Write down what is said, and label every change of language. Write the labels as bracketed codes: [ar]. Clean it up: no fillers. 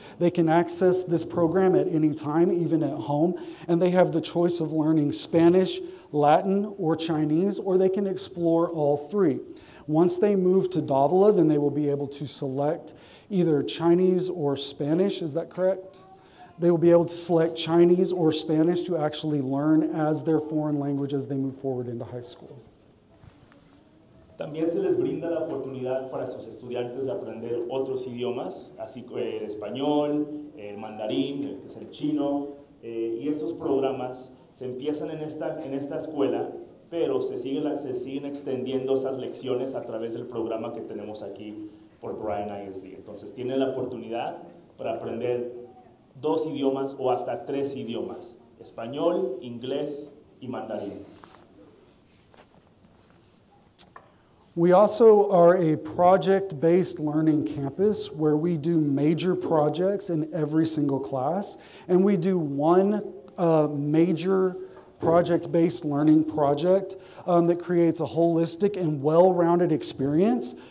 [en] They can access this program at any time, even at home, and they have the choice of learning Spanish, Latin, or Chinese, or they can explore all three. Once they move to Davila, then they will be able to select either Chinese or Spanish, is that correct? They will be able to select Chinese or Spanish to actually learn as their foreign language as they move forward into high school. [es] También se les brinda la oportunidad para sus estudiantes de aprender otros idiomas, así como el español, el mandarín, que es el chino, y estos programas se empiezan en esta escuela, pero se siguen extendiendo esas lecciones a través del programa que tenemos aquí por Bryan ISD. Entonces, tienen la oportunidad para aprender dos idiomas o hasta tres idiomas, español, inglés y mandarín. [en] We also are a project-based learning campus where we do major projects in every single class, and we do one major project-based learning project that creates a holistic and well-rounded experience.